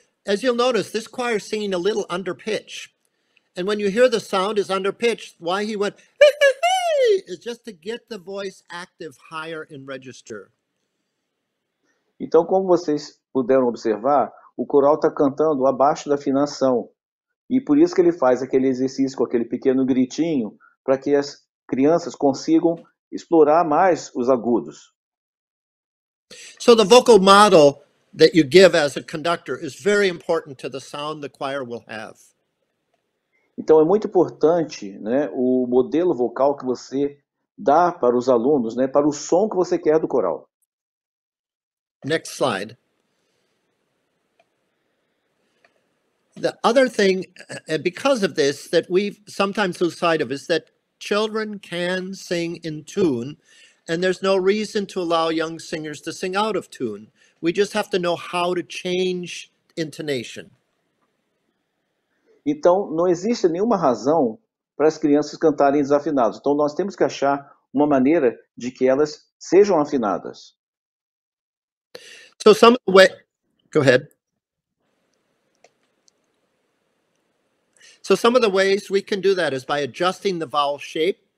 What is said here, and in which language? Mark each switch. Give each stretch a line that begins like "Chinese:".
English: As you'll notice, this choir is singing a little under pitch. And when you hear the sound is under pitch, why he went is just to get the voice active higher in register.
Portuguese: Então, como vocês puderam observar, o coral está cantando abaixo da afinação. E por isso que ele faz aquele exercício com aquele pequeno gritinho para que as crianças consigam explorar mais os agudos.
English: So the vocal model that you give as a conductor is very important to the sound the choir will have.
Portuguese: Então é muito importante, né, o modelo vocal que você dá para os alunos, né, para o som que você quer do coral.
English: Next slide. The other thing, and because of this, that we sometimes lose sight of is that children can sing in tune, and there's no reason to allow young singers to sing out of tune. We just have to know how to change intonation.
Portuguese: Então, não existe nenhuma razão para as crianças cantarem desafinadas. Então, nós temos que achar uma maneira de que elas sejam afinadas.
English: So some of the way, go ahead. So some of the ways we can do that is by adjusting the vowel shape.